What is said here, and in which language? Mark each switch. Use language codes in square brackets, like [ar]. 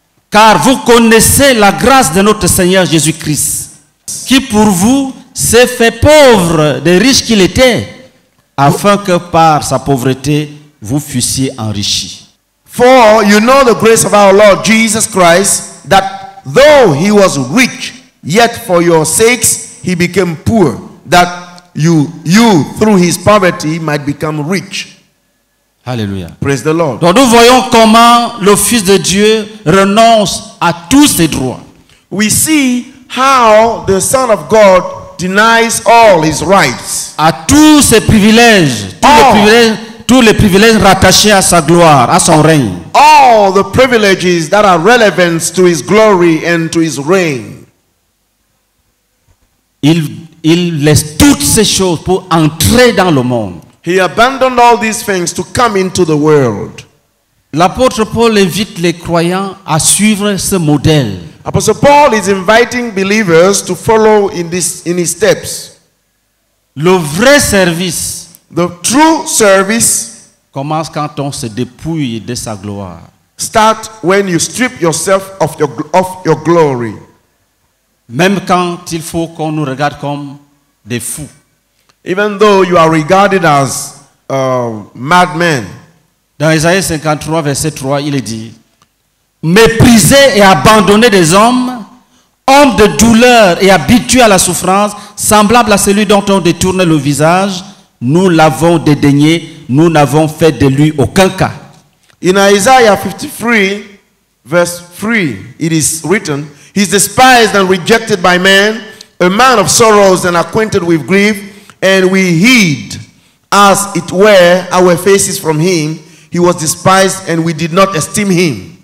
[fr] Car vous connaissez la grâce de notre Seigneur Jésus-Christ, qui pour vous s'est fait pauvre des riches qu'il était, afin que par sa pauvreté vous fussiez enrichis. [en] For you know the grace of our Lord Jesus Christ, that though he was rich, yet for your sakes he became poor, that you through his poverty might become rich. Hallelujah. Praise the Lord. [fr] Donc nous voyons comment le Fils de Dieu renonce à tous ses droits. [en] We see how the Son of God denies all his rights. [fr] À tous ses privilèges, tous les privilèges rattachés à sa gloire, à son règne. [en] All the privileges that are relevant to his glory and to his reign. [fr] Il laisse toutes ces choses pour entrer dans le monde. [en] He abandoned all these things to come into the world. [fr] L'apôtre Paul invite les croyants à suivre ce modèle. [en] Apostle Paul is inviting believers to follow in his steps. [fr] Le vrai service, [en] the true service, [fr] commence quand on se dépouille de sa gloire. [en] Start when you strip yourself of your glory. [fr] Même quand il faut qu'on nous regarde comme des fous. [en] Even though you are regarded as a madman. [fr] Dans Isaïe 53 verset 3, il est dit, méprisé et abandonné des hommes, homme de douleur et habitué à la souffrance, semblable à celui dont on détournait le visage, nous l'avons dédaigné, nous n'avons fait de lui aucun cas. [en] In Isaiah 53, verse 3, it is written, he's despised and rejected by man, a man of sorrows and acquainted with grief, and we hid, as it were, our faces from him. He was despised and we did not esteem him.